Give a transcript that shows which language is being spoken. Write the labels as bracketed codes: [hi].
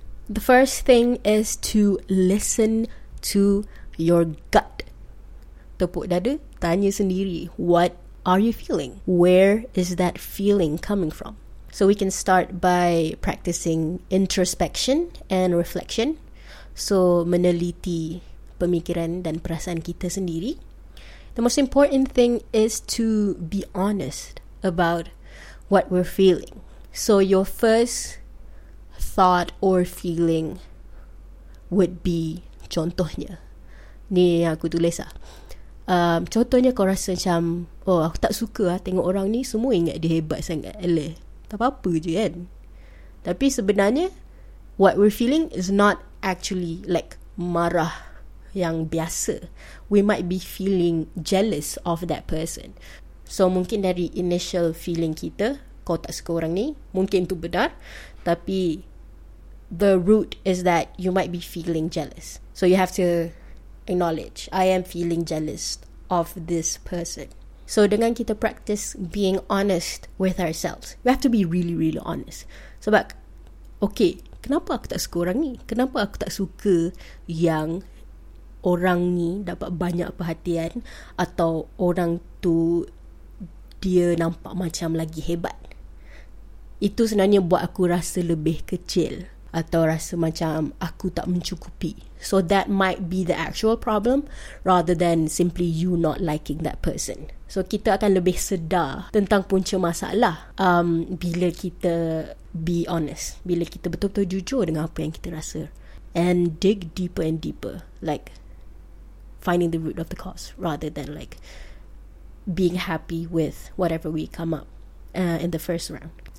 [en] The first thing is to listen to your gut. [ms] Tepuk dada, tanya sendiri, [en] what are you feeling? Where is that feeling coming from? So we can start by practicing introspection and reflection. [ms] So meneliti pemikiran dan perasaan kita sendiri. [en] The most important thing is to be honest about what we're feeling. So your first thought or feeling would be, [ms] contohnya, ni aku tulis lah. Contohnya kau rasa macam, oh aku tak suka lah tengok orang ni, semua ingat dia hebat sangat. Alah, tak apa-apa je kan. Tapi sebenarnya, [en] what we're feeling is not actually like [ms] marah yang biasa. [en] We might be feeling jealous of that person. So mungkin dari initial feeling kita, [ms] kau tak suka orang ni, mungkin tu benar. [en] Tapi the root is that you might be feeling jealous. So you have to acknowledge, I am feeling jealous of this person. So dengan kita practice being honest with ourselves, we have to be really, really honest. [ms] Sebab, okay, kenapa aku tak suka orang ni? Kenapa aku tak suka yang orang ni dapat banyak perhatian atau orang tu dia nampak macam lagi hebat? Itu sebenarnya buat aku rasa lebih kecil atau rasa macam aku tak mencukupi. [en] So that might be the actual problem rather than simply you not liking that person. [ms] So kita akan lebih sedar tentang punca masalah bila kita be honest, bila kita betul-betul jujur dengan apa yang kita rasa, [en] and dig deeper and deeper, like finding the root of the cause rather than like being happy with whatever we come up in the first round.